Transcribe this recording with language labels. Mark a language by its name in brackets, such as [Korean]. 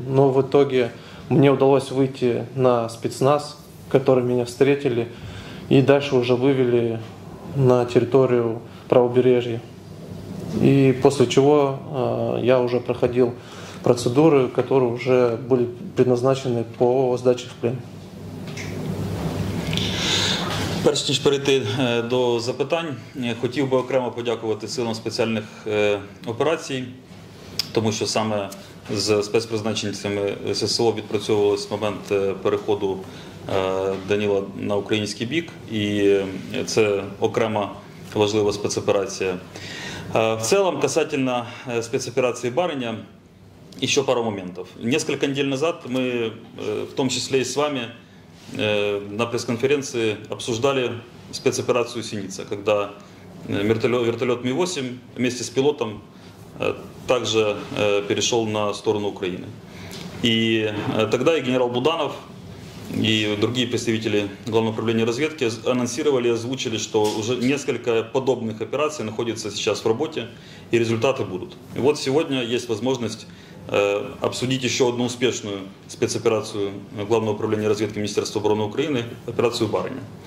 [Russian] Но в итоге мне удалось выйти на спецназ, который меня встретили, и дальше уже вывели на территорию правобережья. И после чего я уже проходил процедуры, которые уже были предназначены по сдаче в плен. [Ukrainian] Перш ніж перейти до запитань, хотів би окремо подякувати силам спеціальних операцій, тому що саме з спецпризначенцями ССО відпрацьовувалось момент переходу Даніла на український бік, і це окрема важлива спецоперація. В цілому, касательно спецоперації «Барыня», ще пару моментів. Несколько тижнів назад ми, в тому числі і з вами, на прес-конференції обсуждали спецоперацію «Синіця», коли вертольот Ми-8 вместе з пілотом [Russian] также перешел на сторону Украины. И тогда и генерал Буданов, и другие представители Главного управления разведки анонсировали, озвучили, что уже несколько подобных операций находятся сейчас в работе, и результаты будут. И вот сегодня есть возможность обсудить еще одну успешную спецоперацию Главного управления разведки Министерства обороны Украины, операцию «Барыня».